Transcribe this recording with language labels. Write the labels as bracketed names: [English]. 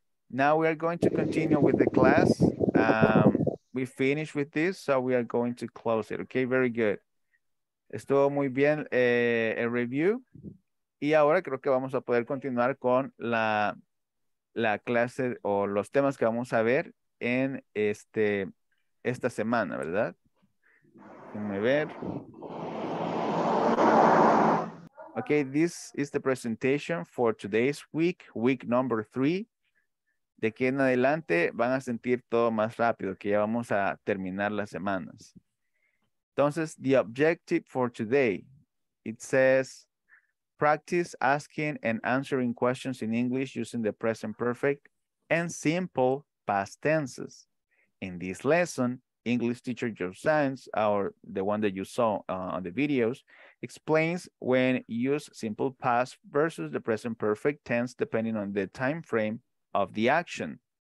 [English] Now we are going to continue with the class. We finished with this, so we are going to close it. Okay, very good. [Spanish] Estuvo muy bien el review. Y ahora creo que vamos a poder continuar con la clase o los temas que vamos a ver en esta semana, ¿verdad? Déjenme ver. [English] Okay, this is the presentation for today's week, week number 3. [Spanish] De aquí en adelante van a sentir todo más rápido, que ya vamos a terminar las semanas. [English] Entonces, the objective for today, it says, practice asking and answering questions in English using the present perfect and simple past tenses. In this lesson, English teacher Joe Sainz, or the one that you saw on the videos, explains when you use simple past versus the present perfect tense depending on the time frame of the action.